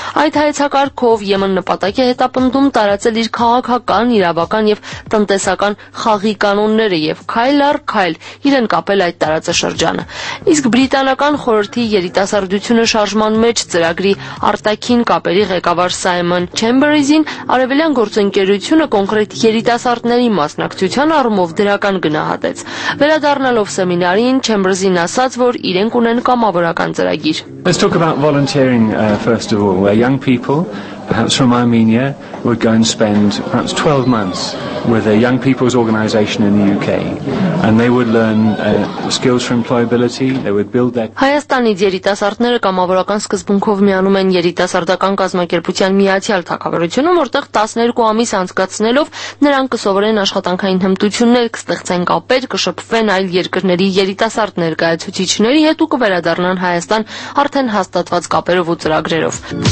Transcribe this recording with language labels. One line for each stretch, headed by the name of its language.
Armenian: Այդ հայեցակարգով Եմեն նպատակի հետապնդում տարածել իր քաղաքական, իրավական և տնտեսական խաղի կանոնները և քայլ առ քայլ իրեն կապել այդ տարածաշրջանը։ Իսկ բրիտանական խորհրդի երիտասարդությունը շարժման մեջ ծրագրի արտաքին կապերի ղեկավար Սայմոն Չեմբերզին արևելյան գործընկերությունը կոնկրետ երիտասարդների մասնակցության առումով դրական գնահատեց։ Վերադառնալով սեմինարին, Չեմբերզին ասաց, որ իրենք ունեն կամավորական ծրագիր։
English: Let's talk about volunteering first of all. We're young people. Perhaps from Armenia, would go and spend perhaps 12 months with a young people's organization in the UK. And they would learn skills for employability, they would build their...
Armenian: Հայաստանից երիտասարդները կամավորական սկզբունքով միանում են երիտասարդական կազմակերպության միացյալ թակավարությունում, որտեղ 12 ամիս անցկացնելով նրանք կսովորեն աշխատանքային հմտություններ, կստեղծեն կապեր, կշփվեն այլ երկրների երիտասարդ ներկայացուցիչների հետ ու կվերադառնան Հայաստան արդեն հաստատված կապերով ու ծրագրերով։